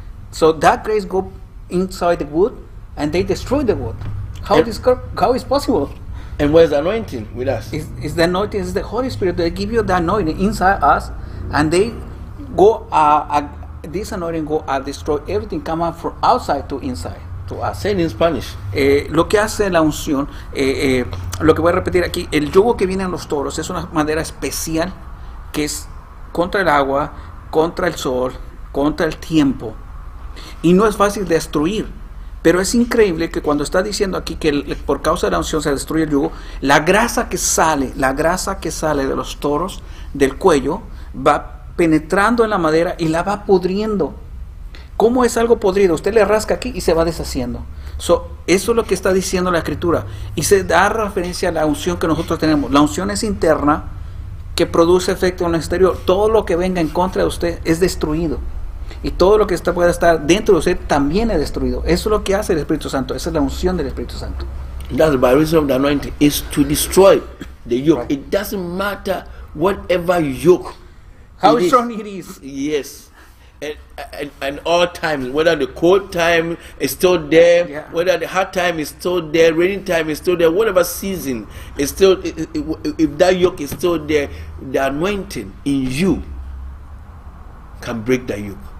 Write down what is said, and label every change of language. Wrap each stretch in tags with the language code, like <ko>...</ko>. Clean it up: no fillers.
<en>So that grace go inside the wood and they destroy the wood. How is possible? And where's the anointing with us? It's the anointing, it's the Holy Spirit. They give you the anointing inside us and they go, this anointing go and destroy everything come out from outside to inside to us. Say it in Spanish.</en> <es>Lo que hace la unción, lo que voy a repetir aquí, el yugo que viene en los toros es una madera especial que es contra el agua, contra el sol, contra el tiempo. Y no es fácil destruir, pero es increíble que cuando está diciendo aquí que por causa de la unción se destruye el yugo, la grasa que sale de los toros del cuello va penetrando en la madera y la va pudriendo. ¿Cómo es algo podrido? Usted le rasca aquí y se va deshaciendo. So, eso es lo que está diciendo la escritura y se da referencia a la unción que nosotros tenemos. La unción es interna que produce efecto en el exterior. Todo lo que venga en contra de usted es destruido. Y todo lo que pueda estar dentro de usted también es destruido. Eso es lo que hace el Espíritu Santo. Esa es la unción del Espíritu Santo.</es> <en>That's by reason of the anointing is to destroy the yoke. Right. It doesn't matter whatever yoke. How it strong is. It is. Yes. And all times, whether the cold time is still there, yeah. Whether the hot time is still there, raining time is still there, whatever season is still, if that yoke is still there, the anointing in you can break that yoke.</en>